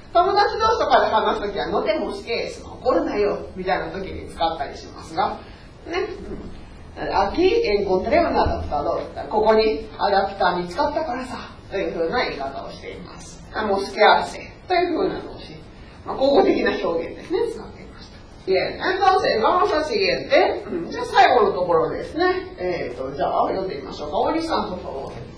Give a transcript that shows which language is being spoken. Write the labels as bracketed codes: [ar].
[ja] 友達同士とかで話すときは、のてもすけーす、怒るなよみたいなときに使ったりしますが、ね、アキエンコントレムナダプタドル、ここにアダプター見つかったからさというふうな言い方をしています。もすけあらせというふうな動詞、まあ、口語的な表現ですね、使っていました。 [es] Bien, entonces vamos al siguiente。 [ja] じゃあ最後のところですね、じゃあ読んでみましょうか。おじさん、 [es] por favor。